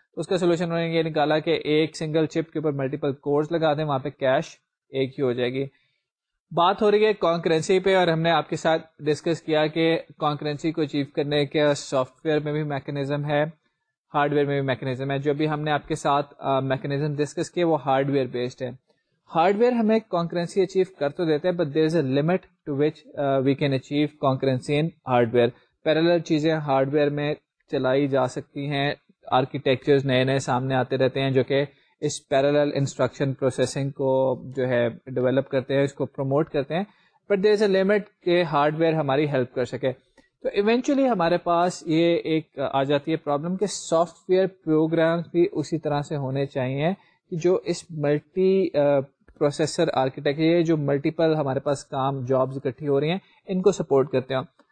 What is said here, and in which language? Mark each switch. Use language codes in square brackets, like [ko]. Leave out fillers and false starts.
[ur] اس کا سولوشن انہوں نے یہ نکالا کہ ایک سنگل چپ کے اوپر ملٹیپل کورز لگا دیں, وہاں پہ کیش ایک ہی ہو جائے گی. بات ہو رہی ہے کانکرنسی پہ, اور ہم نے آپ کے ساتھ ڈسکس کیا کہ کانکرنسی کو اچیو کرنے کے سافٹ ویئر میں بھی میکینزم ہے, ہارڈ ویئر میں بھی میکینزم ہے. جو بھی ہم نے آپ کے ساتھ میکینزم ڈسکس کیے وہ ہارڈ ویئر بیسڈ ہے. ہارڈ ویئر ہمیں کانکرنسی اچیو کر تو دیتے ہیں, [en] But there is a limit to which we can achieve concurrency in hardware. [ur] Parallel چیزیں ہارڈ ویئر میں چلائی جا سکتی ہیں, آرکیٹیکچرز نئے نئے سامنے آتے رہتے ہیں جو کہ اس پیرلل انسٹرکشن پروسیسنگ کو جو ہے ڈیولپ کرتے ہیں, اس کو پروموٹ کرتے ہیں, [en] but there is a limit [ur] کہ ہارڈ ویئر ہماری ہیلپ کر سکے. تو ایونچولی ہمارے پاس یہ ایک آ جاتی ہے پرابلم کہ سافٹ ویئر پروگرام بھی اسی طرح سے ہونے چاہیے جو اس ملٹی پروسیسر آرکیٹیکچر, جو ملٹیپل ہمارے پاس کام جابز اکٹھی ہو رہی ہیں ان کو سپورٹ کرتے ہوں.